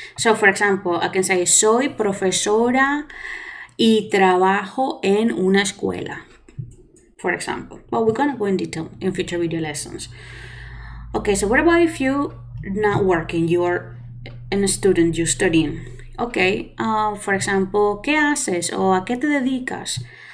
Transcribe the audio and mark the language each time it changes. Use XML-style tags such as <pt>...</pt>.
<en>So for example, I can say,</en> <es>soy profesora y trabajo en una escuela,</es> <en>for example. But we're gonna go in detail in future video lessons. Okay, so what about if you're not working, you are a student, you're studying? Okay, for example,</en> <es>¿qué haces o a qué te dedicas?</es>